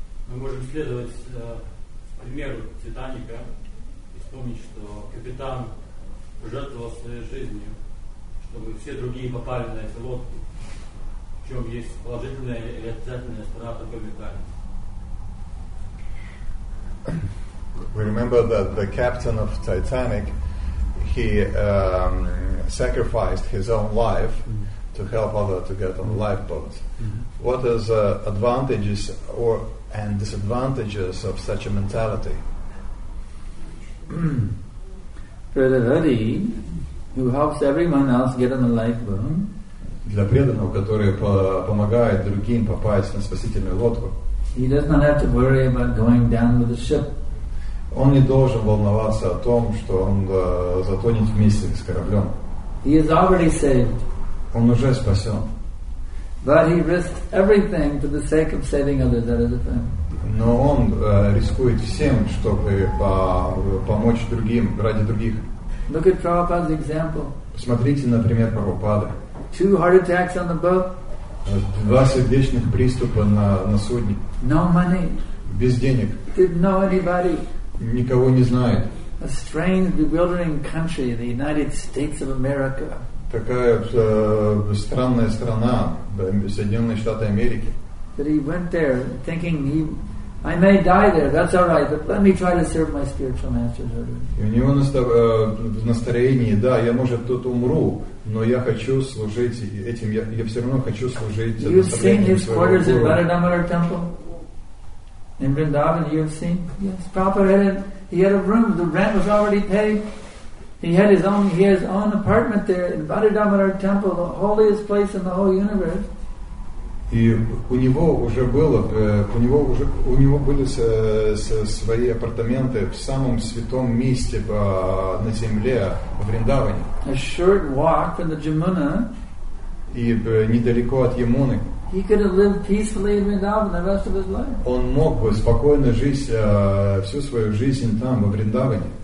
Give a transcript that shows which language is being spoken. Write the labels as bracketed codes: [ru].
[ru] Мы можем следовать примеру Титаника и вспомнить, что капитан жертвовал своей жизнью, чтобы все другие попали на эти лодки. В чем есть положительная или отрицательная сторона такой ментальности? [en] We remember that the captain of Titanic, he sacrificed his own life to help other to get on the lifeboat. Mm-hmm. What is advantages or and disadvantages of such a mentality? Преданный, who helps everyone else get on the lifeboat. [ru] Для преданного, который помогает другим попасть на спасительную лодку. [en] He does not have to worry about going down with the ship. [ru] Он не должен волноваться о том, что он затонет вместе с кораблем. [en] He is already saved. [ru] Он уже спасен. [en] But he risked everything for the sake of saving others. That is a thing. [ru] Но он рискует всем, чтобы помочь другим ради других. [en] Look at Prabhupada's example. [ru] Посмотрите, например, Прабхупады. [en] Two heart attacks on the boat. [ru] Два сердечных приступа на судне. [en] No money. [ru] Без денег. [en] Didn't know anybody. [ru] Никого не знает. [en] A strange, bewildering country, the United States of America. [ru] Такая странная страна, Соединенные Штаты Америки. [en] But he went there thinking I may die there. That's all right, but let me try to serve my spiritual masters. [ru] И у него в настроении, да, я может тут умру, но я хочу служить этим. Я все равно хочу служить. [en] You've seen his quarters in Bharatamara Temple in Vrindavan. You've seen? Yes, Prabhupada. He had a room. The rent was already paid. He had his own apartment there in Bharatamara Temple, the holiest place in the whole universe. [ru] И у него были свои апартаменты в самом святом месте на земле в Вриндаване. [en] A short walk from the Jamuna. [ru] И недалеко от Ямуны. [en] He could have lived peacefully in Vrindavan the rest of his life. [ru] Он мог бы спокойно жить всю свою жизнь там в Вриндаване.